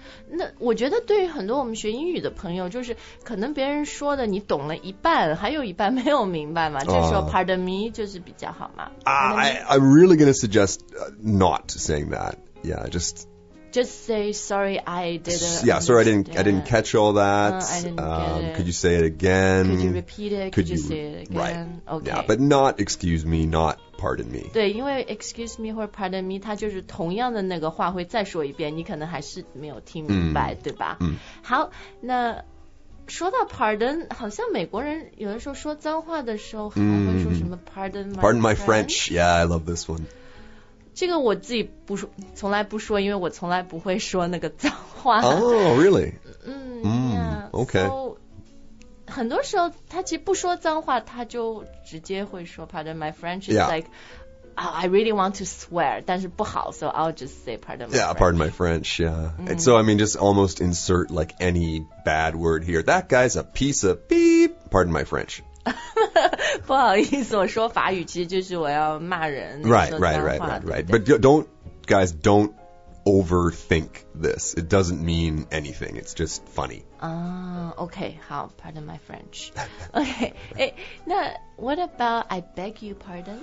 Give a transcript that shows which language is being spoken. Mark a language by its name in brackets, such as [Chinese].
[Chinese] 那我觉得对于很多我们学英语的朋友就是可能别人说的你懂了一半还有一半没有明白嘛这时候 pardon me 就是比较好嘛、 [English] I'm really going to suggest not saying that yeah just say sorry I didn't yeah sorry I didn't catch all that、 I didn't get it. Could you say it again could you repeat it could you say it again right、 okay. yeah but not excuse me notPardon me. [Chinese] 对，因为 excuse me 或者 pardon me， 它就是同样的那个话会再说一遍，你可能还是没有听明白，对吧？好，那说到 pardon， 好像美国人有的时候说脏话的时候还会说什么 pardon my [English] pardon my French. Yeah, I love this one. [Chinese] 这个我自己不说，从来不说，因为我从来不会说那个脏话。 [English] Oh, really? Yeah, okay. [Chinese] So,很多时候他其实不说脏话他就直接会说 pardon my French is、 [English] yeah. like、oh, I really want to swear [Chinese] 但是不好 [English] so I'll just say pardon my yeah, French yeah pardon my French yeah、And so I mean just almost insert like any bad word here that guy's a piece of beep pardon my French [Chinese] 不好意思我说法语其实就是我要骂人 [English] right but don't guys don'toverthink this. It doesn't mean anything. It's just funny. Ah, okay. 好 pardon my French. Okay. 诶，那 what about I beg you pardon?